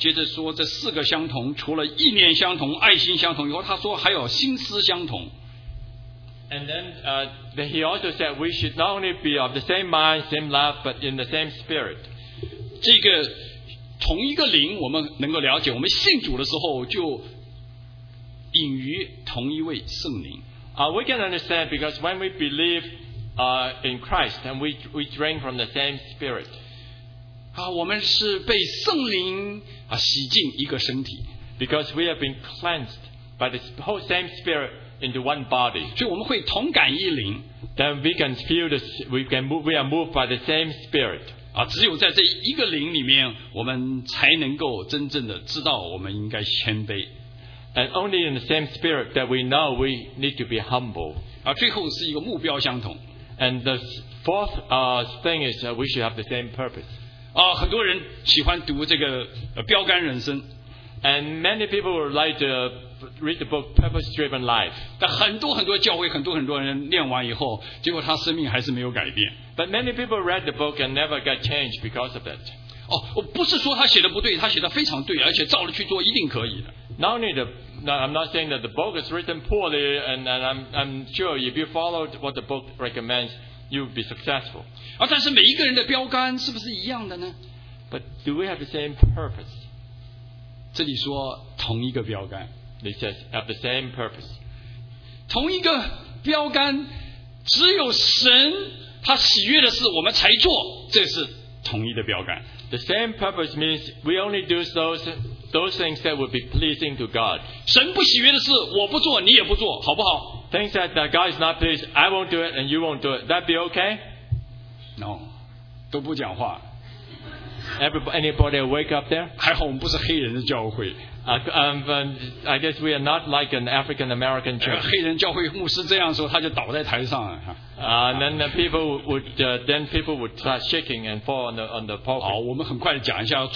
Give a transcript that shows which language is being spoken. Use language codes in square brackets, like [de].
[zh] 我们再来看保罗接着说这四个相同, 除了意念相同, 爱心相同以后, 他说还有心思相同。 [en] And then he also said we should not only be of the same mind, same love, but in the same spirit. [zh] 这个 同一个灵我们能够了解, 我们信主的时候就隐于同一位圣灵。 [en] We can understand because when we believe in Christ and we drink from the same spirit. [zh] 我们是被圣灵 洗净一个身体。 [en] Because we have been cleansed by the whole same spirit into one body. [zh] 所以我们会同感一灵。 [en] Then we can feel this, we are moved by the same spirit. [zh] 只有在这一个灵里面, 我们才能够真正的知道我们应该谦卑。 [en] And only in the same spirit that we know we need to be humble. [zh] 最后是一个目标相同。 [en] And the fourth thing is that we should have the same purpose. [zh] 很多人喜欢读这个, 标杆人生。 [en] And many people would like to read the book Purpose Driven Life. [zh] 但很多很多教会, 很多很多人念完以后, 结果他生命还是没有改变。 [en] But many people read the book and never got changed because of it. [zh] 不是说他写的不对, 他写的非常对, 而且照着去做, 一定可以的。 [en] Not only I'm not saying that the book is written poorly, and I'm sure if you followed what the book recommends, you'll be successful. [zh] 但是每一个人的标杆是不是一样的呢? [en] But do we have the same purpose? [zh] 这里说同一个标杆。 [en] It says have the same purpose. [zh] 同一个标杆, 只有神 他喜悦的事我们才做，这是同一的标杆。 [en] The same purpose means we only do those things that would be pleasing to God. [zh] 神不喜悦的事我不做，你也不做，好不好？ [en] Things that God is not pleased, I won't do it and you won't do it. That be okay? [zh] No, 都不讲话。 [en] Anybody wake up there? [zh] 还好我们不是黑人的教会。 [en] I guess we are not like an African-American church. [zh] 黑人教会牧师这样说，他就倒在台上了。 [en] Then the people would, then people would start shaking and fall on the pulpit.